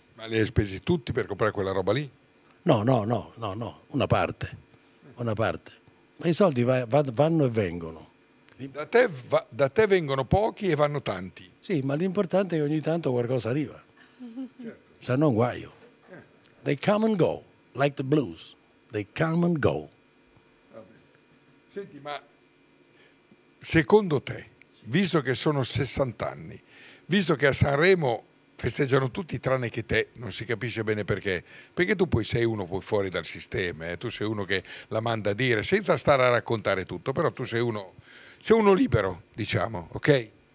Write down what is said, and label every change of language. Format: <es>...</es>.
<it>Ma li hai spesi tutti per comprare quella roba lì? No, una parte. Ma i soldi vanno e vengono. Da te vengono pochi e vanno tanti. Sì, ma l'importante è che ogni tanto qualcosa arriva, certo. Se no un guaio.</it> <en>They come and go, like the blues. They come and go.</en> <it>Senti, ma secondo te, visto che sono 60 anni, visto che a Sanremo festeggiano tutti tranne che te, non si capisce bene perché. Perché tu poi sei uno poi fuori dal sistema, eh? Tu sei uno che la manda a dire, senza stare a raccontare tutto, però tu sei uno libero, diciamo, ok?</it>